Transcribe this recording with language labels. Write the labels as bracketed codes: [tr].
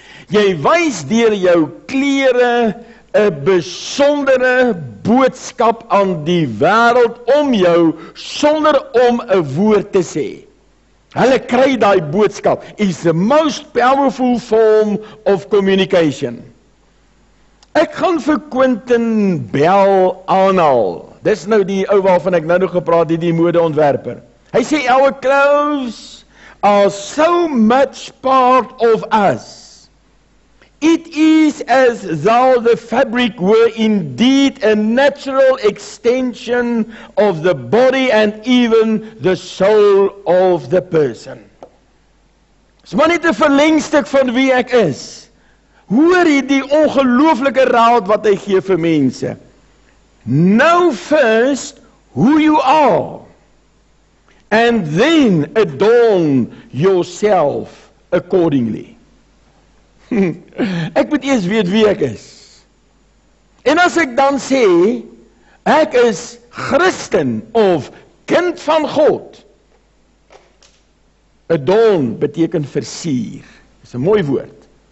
[af] Jy wys deur jou klere 'n besondere boodskap aan die wêreld om jou sonder om 'n woord te sê. Hulle kry daai boodskap. [en] It's the most powerful form of communication. [af] Ek gaan vir Quentin Bell aanhaal. Dis nou die ou waarvan ek nou gepraat het, die modeontwerper. Hy sê, [en] our clothes are so much part of us. It is as though the fabric were indeed a natural extension of the body and even the soul of the person. [af] Dis maar net 'n verlengstuk van wie ek is. Hoor jy die ongelooflike raad wat hy gee vir mense? [en] Know first who you are and then adorn yourself accordingly. [af] Ek moet eers weet wie ek is. En as ek dan sê ek is Christen of kind van God, adorn beteken versier. Dis 'n mooi woord.